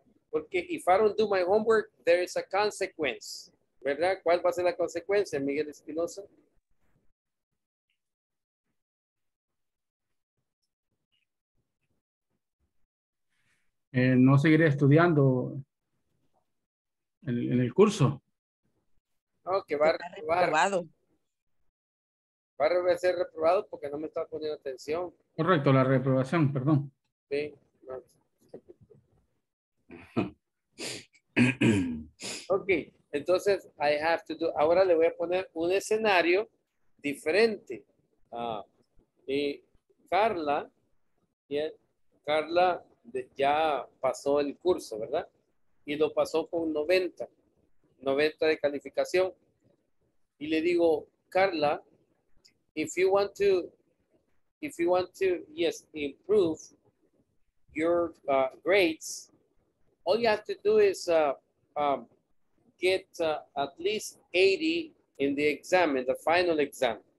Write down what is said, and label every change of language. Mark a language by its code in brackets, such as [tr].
[es] Porque [en] if I don't do my homework, there is a consequence. [es] ¿Verdad? ¿Cuál va a ser la consecuencia, Miguel Espinosa? No seguiré estudiando en el curso. No, que va a reprobar. Va a ser reprobado porque no me está poniendo atención. Correcto, la reprobación, perdón. Sí, gracias. Ok, entonces [en] I have to do, [es] ahora le voy a poner un escenario diferente. Y Carla, bien, Carla ya pasó el curso, ¿verdad? Y lo pasó con 90 de calificación. Y le digo, [en] Carla, if you want to yes, improve your grades, all you have to do is get at least 80 in the exam, in the final exam.